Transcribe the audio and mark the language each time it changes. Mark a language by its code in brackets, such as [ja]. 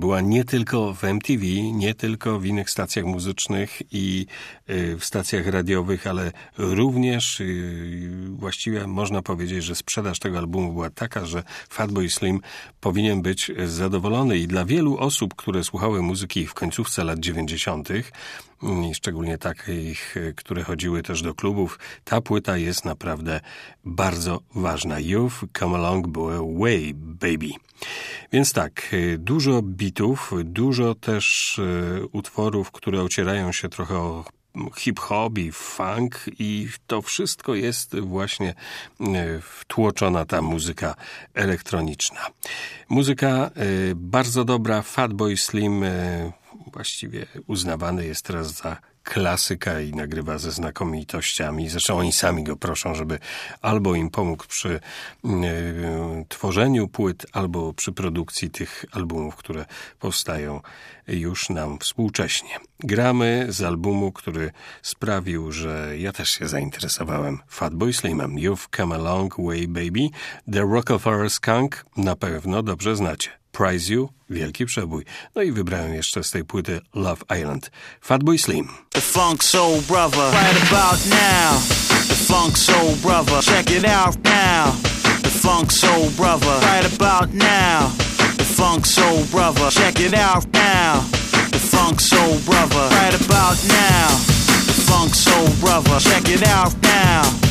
[pl] Była nie tylko w MTV, nie tylko w innych stacjach muzycznych i w stacjach radiowych, ale również właściwie można powiedzieć, że sprzedaż tego albumu była taka, że Fatboy Slim powinien być zadowolony. I dla wielu osób, które słuchały muzyki w końcówce lat 90., szczególnie takich, które chodziły też do klubów, ta płyta jest naprawdę bardzo ważna. [en] You've Come a Long Way, Baby. [pl] Więc tak, dużo bitów, dużo też utworów, które ocierają się trochę o hip-hop i funk, i to wszystko jest właśnie wtłoczona ta muzyka elektroniczna. Muzyka bardzo dobra, Fatboy Slim właściwie uznawany jest teraz za klasyka i nagrywa ze znakomitościami. Zresztą oni sami go proszą, żeby albo im pomógł przy tworzeniu płyt, albo przy produkcji tych albumów, które powstają już nam współcześnie. Gramy z albumu, który sprawił, że ja też się zainteresowałem Fatboy Slimem. [en] You've Come a Long Way, Baby. [pl] The Rockefeller Skunk na pewno dobrze znacie. Prize You, wielki przebój. No i wybrałem jeszcze z tej płyty Love Island, Fatboy Slim. [en] The funk soul brother, right about now. The funk soul brother, check it out now. The funk soul brother, right about now. The funk soul brother, check it out now. The funk soul brother, right about now. The funk soul brother, check it out now.